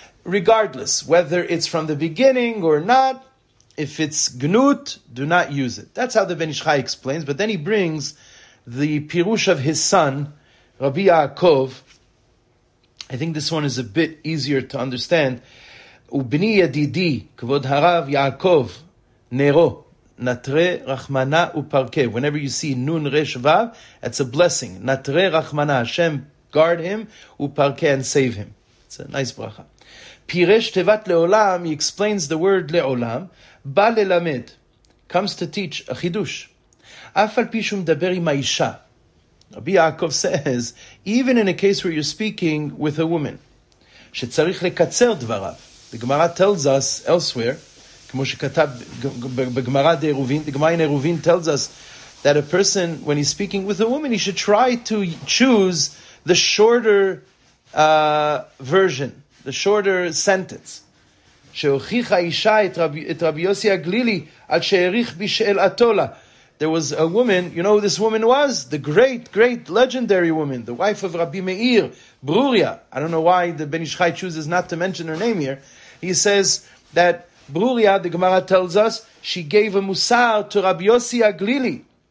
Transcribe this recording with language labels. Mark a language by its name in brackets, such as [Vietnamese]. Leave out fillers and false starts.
[English] Regardless, whether it's from the beginning or not, if it's gnut, do not use it. That's how the Ben Ish Chai explains. But then he brings the pirush of his son, Rabbi Yaakov. I think this one is a bit easier to understand. [Hebrew] ובני ידידי, כבוד הרב יעקב, נרו, נטרי רחמנה ופרקה. [English] Whenever you see נון רש וב, it's a blessing. [Hebrew] נטרי רחמנה, [English] השם, guard him, [Hebrew] ופרקה [English] and save him. It's a nice ברכה. [Hebrew] פירש תיבת לעולם, [English] he explains the word לעולם, [Hebrew] בא ללמד, [English] comes to teach, a חידוש. [Hebrew] אף על פי שהוא מדבר עם האישה, [English] רבי יעקב says, even in a case where you're speaking with a woman, [Hebrew] שצריך לקצר דבריו, [English] the Gemara tells us elsewhere, [Hebrew] כמו שכתב בגמרא דעירובין, [English] the Gemara in עירובין tells us that a person, when he's speaking with a woman, he should try to choose the shorter version, the shorter sentence. [Hebrew] שהוכיחה אישה את רבי יוסי הגלילי עד שהעריך בשאלתו לה. [English] There was a woman, you know who this woman was? The great, great, legendary woman, the wife of Rabbi Meir, Bruria. I don't know why the Ben Ish Chai chooses not to mention her name here. He says that Bruria, the Gemara tells us, she gave a musar to Rabbi Yossi Aglili.